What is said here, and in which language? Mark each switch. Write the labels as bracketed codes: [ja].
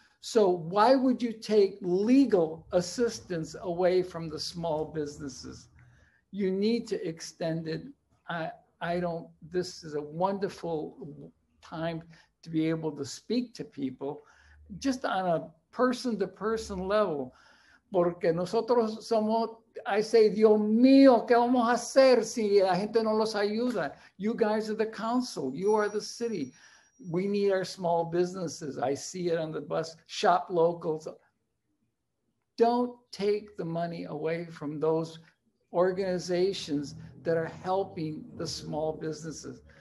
[en] So why would you take legal assistance away from the small businesses? You need to extend it. This is a wonderful time to be able to speak to people just on a person to person level. [es] Porque nosotros somos, [en] I say, [es] Dios mío, ¿qué vamos a hacer si la gente no los ayuda? [en] You guys are the council, you are the city. We need our small businesses. I see it on the bus, shop locals. Don't take the money away from those organizations that are helping the small businesses.